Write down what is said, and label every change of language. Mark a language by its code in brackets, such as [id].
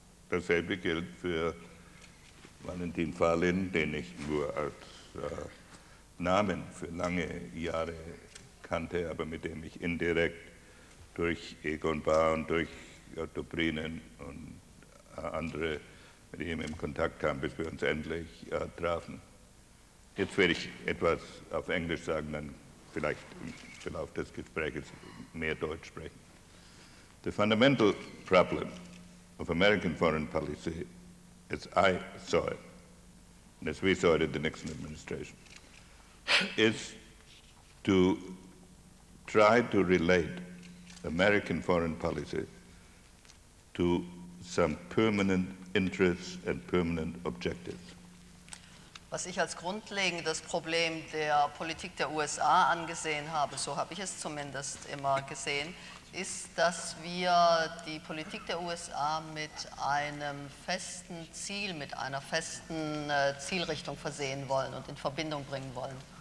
[de] Dasselbe gilt für Valentin Falin, den ich nur als Namen für lange Jahre kannte, aber mit dem ich indirekt durch Egon Bahr und durch Dobrinin und andere mit ihm in Kontakt kam, bis wir uns endlich trafen. Jetzt werde ich etwas auf Englisch sagen, dann vielleicht im Verlauf des Gesprächs mehr Deutsch sprechen. [en] The fundamental problem of American foreign policy, as I saw it, and as we saw it in the Nixon administration, is to try to relate American foreign policy to some permanent interests and permanent objectives. [de] Was ich als grundlegendes Problem der Politik der USA angesehen habe, so habe ich es zumindest immer gesehen, ist, dass wir die Politik der USA mit einem festen Ziel, mit einer festen Zielrichtung versehen wollen und in Verbindung bringen wollen.